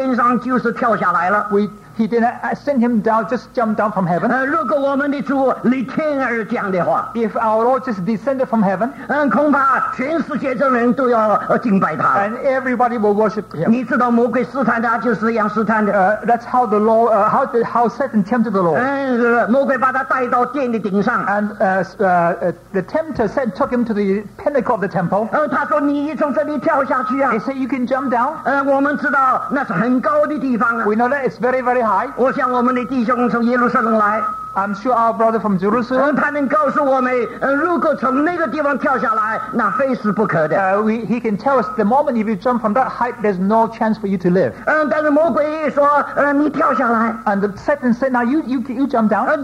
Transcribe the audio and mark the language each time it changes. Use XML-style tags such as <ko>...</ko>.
<zh>因为神不是差他从天上就是跳下来了,</zh> <en>he didn't send him down, just jump down from heaven.</en> <zh>如果我们的主离天而降的话,</zh> <en>if our Lord just descended from heaven,</en> <zh>恐怕全世界的人都要敬拜他,</zh> <en>and everybody will worship him.</en> <zh>你知道魔鬼试探他就是一样试探的,</zh> <en>that's how the law, how Satan tempted the Lord.</en> <zh>魔鬼把他带到殿的顶上,</zh> <en>and the tempter said, took him to the pinnacle of the temple.</en> <zh>他说你从这里跳下去啊,</zh> <en>he said, you can jump down.</en> <zh>我们知道那是很高的地方,</zh> <en>we know that it's very, very high. I'm sure our brother from Jerusalem,</en> <zh>他能告诉我们如果从那个地方跳下来, 那非死不可的,</zh> <en>he can tell us the moment if you jump from that height, there's no chance for you to live.</en> <zh>但是魔鬼说, 你跳下来,</zh> <en>and the Satan said, now you jump down,</en>